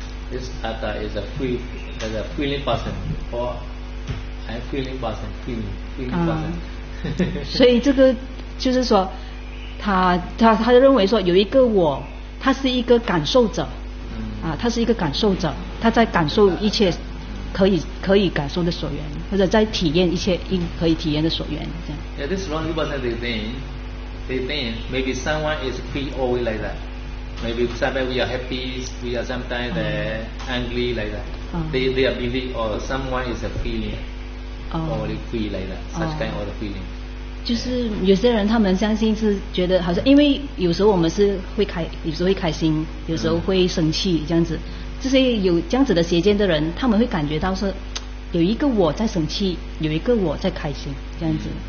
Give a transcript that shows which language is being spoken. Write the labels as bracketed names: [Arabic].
[English] This atta is a feeling person, or I'm feeling person, feeling person. [Chinese] 所以这个就是说，他认为说有一个我，他是一个感受者，啊，他是一个感受者，他在感受一切可以感受的所缘，或者在体验一切可以体验的所缘，这样。 [English] Yeah, this wrong person they think maybe someone is feel always like that. Maybe sometimes we are happy, we are sometimes angry like that. They are believe or someone is a feeling, only feel like that, such kind of feeling. [Chinese] 就是有些人他们相信是觉得好像，因为有时候我们是会开，有时候会开心，有时候会生气这样子。这些有这样子的邪见的人，他们会感觉到是有一个我在生气，有一个我在开心这样子。